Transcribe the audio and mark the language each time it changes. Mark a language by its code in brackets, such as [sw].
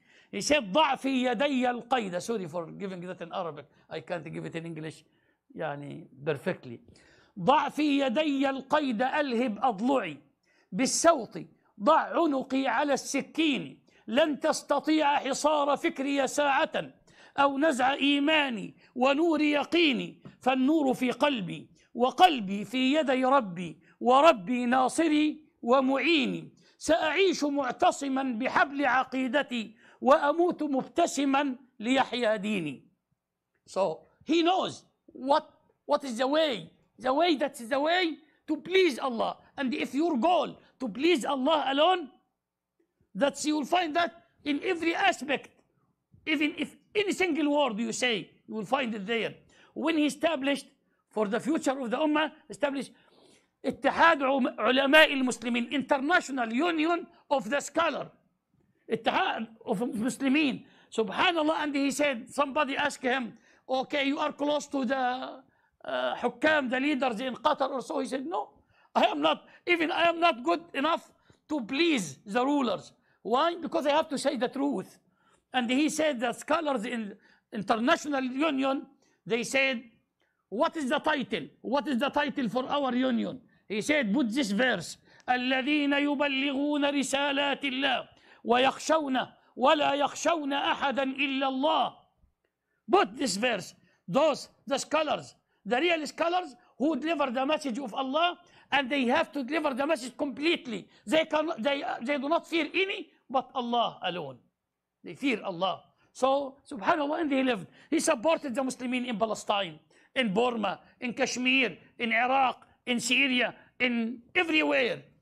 [en] He said, [ar] "ضع في يدي القيد." [en] Sorry for giving that in Arabic. I can't give it in English, يعني perfectly. [ar] ضع في يدي القيد ألهب أضلعي بالسوط ضع عنقي على السكين لن تستطيع حصار فكري ساعة أو نزع إيماني ونور يقيني فالنور في قلبي وقلبي في يدي ربي وربي ناصري ومعيني سأعيش معتصما بحبل عقيدتي وأموت مبتسما ليحيا ديني. [en] So he knows what is the way that's the way to please Allah, and if your goal to please Allah alone, that you'll find that in every aspect, even if any single word you say, you will find it there. When he established for the future of the Ummah, established Ittihad Ulama al-Muslimin, International Union of the Scholar, Ittihad of Muslimin. Subhanallah, and he said, somebody asked him, "Okay, you are close to the Hukam, the leaders in Qatar or so." He said, "No, I am not good enough to please the rulers." Why? Because I have to say the truth. And he said the scholars in International Union, they said, "What is the title? What is the title for our union?" He said, "Put this verse: [ar] الَّذِينَ يُبَلِّغُونَ رِسَالَاتِ اللَّهِ وَيَخْشَوْنَ وَلَا يَخْشَوْنَ أَحَدًا إِلَّا اللَّهِ." [en] Put this verse. Those the scholars, the real scholars who deliver the message of Allah, and they have to deliver the message completely. They do not fear any but Allah alone. They fear Allah. So, subhanAllah, and he lived. He supported the Muslims in Palestine, in Burma, in Kashmir, in Iraq, in Syria, in everywhere.